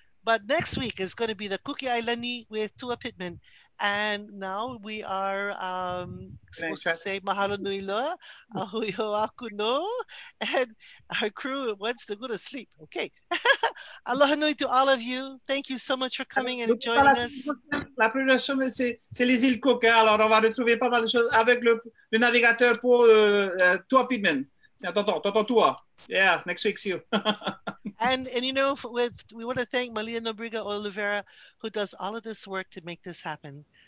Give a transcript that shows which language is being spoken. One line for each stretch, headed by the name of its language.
English: But next week is going to be the Kuki Ailani with Tua Pittman, and now we are supposed to say
Hawaiian: Mahalo Nui Loa, Ahui Ho Aku No,
English: and our crew wants to go to sleep. Okay, Aloha Nui to all of you. Thank you so much for coming and joining us.
French: La première chose, c'est les îles Cook. Hein? Alors, on va retrouver pas mal de choses avec le navigateur pour Tua Pittman. C'est un tonton Tua.
English: Yeah, next week, see you. and you know, we want to thank Malia Nobrega Oliveira, who does all of this work to make this happen.